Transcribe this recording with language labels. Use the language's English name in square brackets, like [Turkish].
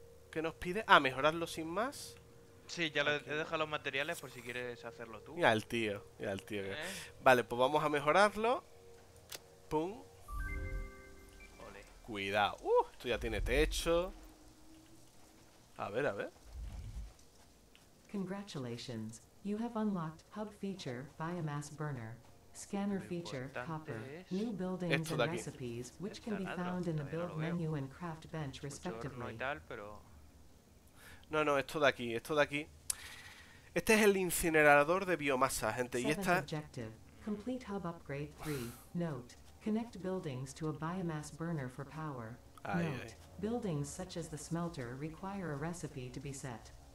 [Spanish] ¿Qué nos pide? ¿Mejorarlo sin más? Sí, ya okay. He dejado los materiales por si quieres hacerlo tú. Mira el tío. ¿Eh? Vale, pues vamos a mejorarlo. Pum. Cuidado, esto ya tiene techo. A ver. [English] Congratulations, you have unlocked hub feature biomass burner, scanner feature copper, new buildings and recipes which can be found in the build menu and craft bench respectively. [Spanish] No, esto de aquí. Este es el incinerador de biomasa, gente, y esta. [English] Objective. Complete hub upgrade 3. Note. Connect buildings to a biomass burner for power. Note, buildings such as the smelter require a recipe to be set.